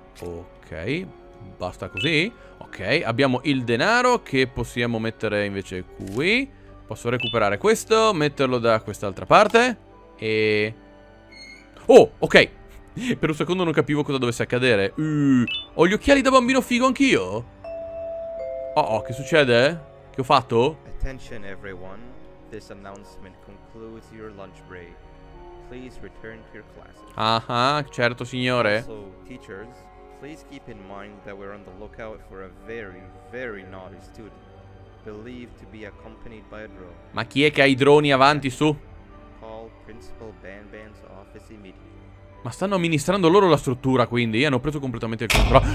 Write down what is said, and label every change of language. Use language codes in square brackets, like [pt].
[it] Ok, basta così. Ok, abbiamo il denaro che possiamo mettere invece qui. Posso recuperare questo, metterlo da quest'altra parte. E... oh, ok. Per un secondo non capivo cosa dovesse accadere. Ho gli occhiali da bambino figo anch'io. Oh, che succede? Che ho fatto? [en] Attention everyone. This announcement concludes your lunch break. Please return to your classes. [it] Certo signore. [en] Also, teachers, please keep in mind that we're on the lookout for a very, very naughty student believed to be accompanied by a drone. [it] Ma chi è che ha i droni avanti su? [en] Call Principal Ban Ban's office immediately. [it] Ma stanno amministrando loro la struttura, quindi. Hanno preso completamente il controllo.